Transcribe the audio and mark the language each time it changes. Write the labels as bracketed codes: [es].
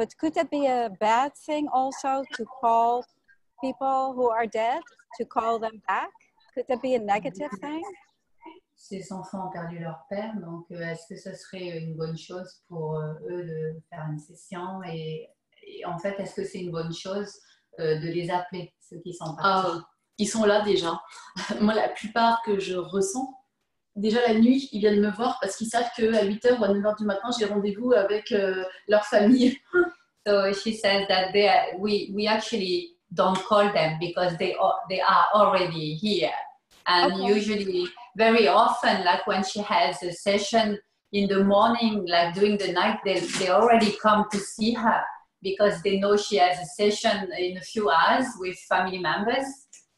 [en] But could that be a bad thing also to call people who are dead, to call them back? Could that be a negative thing? [fr] Ses enfants ont perdu leur père, donc est-ce que ce serait une bonne chose pour eux de faire une session? Et en fait, est-ce que c'est une bonne chose de les appeler, ceux qui sont partis? Ils sont là déjà. Moi, la plupart que je ressens, déjà la nuit, ils viennent me voir parce qu'ils savent qu'à 8h ou à 9h du matin, j'ai rendez-vous avec leur famille. [en] So she says that we actually don't call them because they are already here. And usually, very often, like when she has a session in the morning, like during the night, they already come to see her because they know she has a session in a few hours with family members.